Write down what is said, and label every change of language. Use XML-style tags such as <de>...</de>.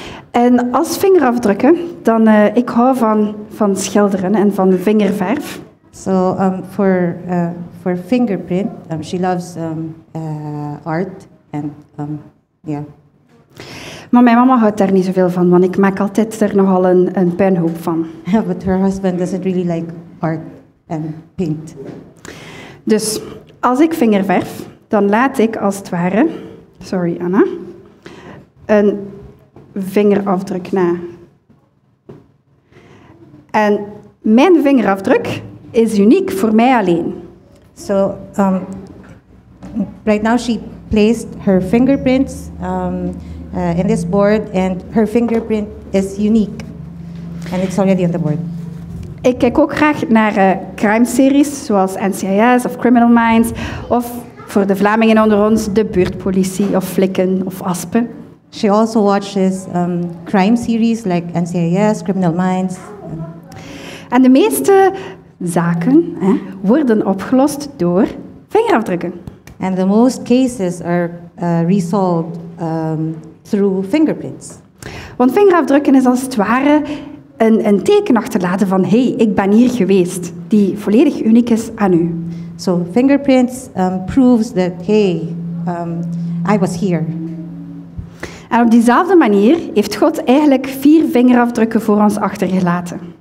<nl>En als vingerafdrukken, dan ik hou van schilderen en van vingerverf.</nl> <en>So for fingerprint, she loves art and yeah.</en> <nl>Maar mijn mama houdt daar niet zoveel van, want ik maak altijd er nogal een puinhoop van.</nl> <en>But her husband doesn't really like art and paint.</en> <nl>Dus als ik vingerverf, dan laat ik als het ware, sorry Anna, een vingerafdruk na. En mijn vingerafdruk is uniek voor mij alleen.</nl> <en>So right now she placed her fingerprints in this board, and her fingerprint is unique, and it's already on the board.</en> <nl>Ik kijk ook graag naar crime series zoals NCIS of Criminal Minds, of voor de Vlamingen onder ons de buurtpolitie of Flikken of Aspen.</nl> <en>She also watches crime series like NCIS, Criminal Minds.</en> <nl>En de meeste zaken worden opgelost door vingerafdrukken.</nl> <en>And the most cases are resolved through fingerprints.</en> <nl>Want vingerafdrukken is als het ware een teken achterlaten van hey, ik ben hier geweest, die volledig uniek is aan u.</nl> <en>So fingerprints proves that hey, I was here.</en> <nl>En op diezelfde manier heeft God eigenlijk vier vingerafdrukken voor ons achtergelaten.</nl>